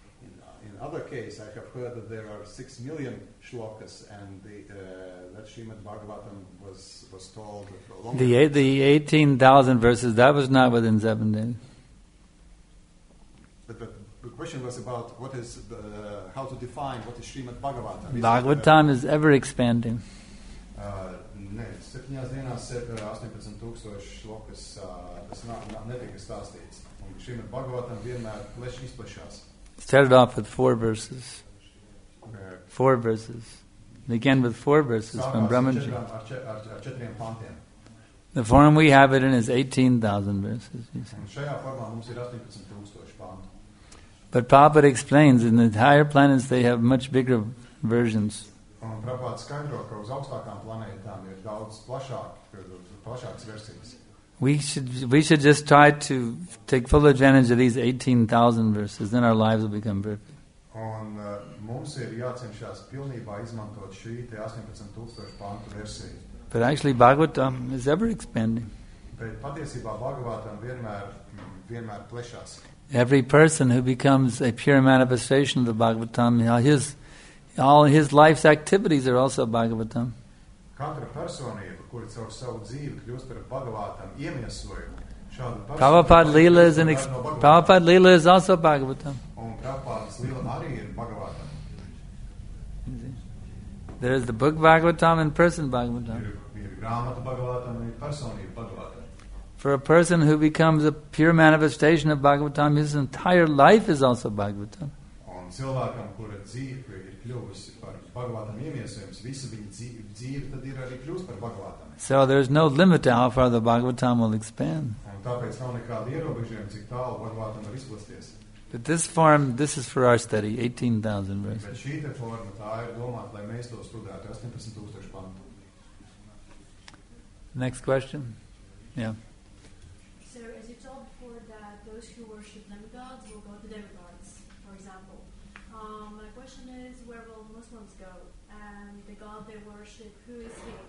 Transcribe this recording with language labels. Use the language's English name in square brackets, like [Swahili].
[English] In other case I have heard that there are 6 million shlokas and that Srimad Bhagavatam was told for a long time. The 18,000 verses, that was not within 7 days. The question was about what is how to define what is Srimad Bhagavatam. Bhagavatam is ever expanding. [Latvian] Ne, 7 dienās 18 tūkstoši šlokas, tas netika stāstīts. Un Srimad Bhagavatam vienmēr pleš izplešās. [English] Started off with 4 verses. 4 verses. Began with 4 verses from Brahmanji. [Latvian] Ar 4 pantiem. [English] The form we have it in is 18,000 verses. [Latvian] Šajā formā mums ir 18 tūkstoši pantu. [English] But Prabhupada explains in the higher planets they have much bigger versions. We should just try to take full advantage of these 18,000 verses, then our lives will become perfect. But actually Bhagavatam is ever expanding. [Latvian] Bet patiesībā Bhagavatam vienmēr plešās. [English] Every person who becomes a pure manifestation of the Bhagavatam, all his life's activities are also Bhagavatam. [Latvian] Katra personība, kura caur savu dzīvi kļūst par Bhagavatam iemiesojumu, [English] Prabhupāda līla is also Bhagavatam. [Latvian] Un Prabhupādas līla arī ir Bhagavatam. [English] There is the book Bhagavatam and person Bhagavatam. [Latvian] Ir grāmata Bhagavatam un personība Bhagavatam. [English] For a person who becomes a pure manifestation of Bhagavatam, his entire life is also Bhagavatam. [Latvian] Un cilvēkam, kura dzīve ir kļuvusi par Bhagavatam iemiesojums, visa viņa dzīve tad ir arī kļūst par Bhagavatam. [English] So there is no limit to how far the Bhagavatam will expand. [Latvian] Tāpēc nav nekādu ierobežojumu, cik tālu Bhagavatam var izplasties. [English] But this form, this is for our study, 18,000 verses. [Latvian] Bet šī te forma, tā ir domāt, lai mēs to studētu 18,000 pantu. [English] Next question. Yeah. Sir, as you told before that those who worship demigods will go to demigods, for example. My question is, where will Muslims go? And the god they worship, who is he?